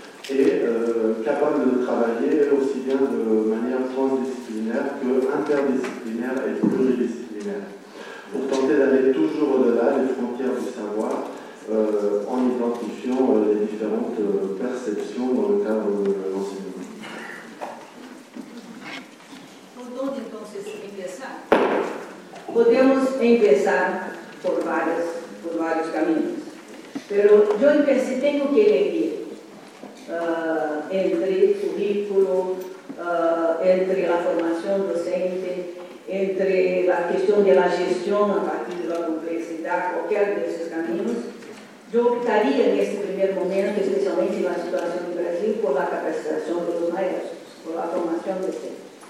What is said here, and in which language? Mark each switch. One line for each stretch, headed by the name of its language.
French: Et capable de travailler aussi bien de manière transdisciplinaire que interdisciplinaire et pluridisciplinaire, pour tenter d'aller toujours au-delà des frontières du savoir en identifiant les différentes perceptions dans le cadre de l'enseignement. Pour donc, donc c'est
Spanish: podemos empezar por vários caminhos, pero yo empecé tengo que elegir.
Portuguese: Entre currículo, entre a formação docente, entre a questão da gestão a partir da complexidade, qualquer desses caminhos, eu optaria nesse primeiro momento, especialmente na situação do Brasil, por a capacitação dos maestros, por a formação docente.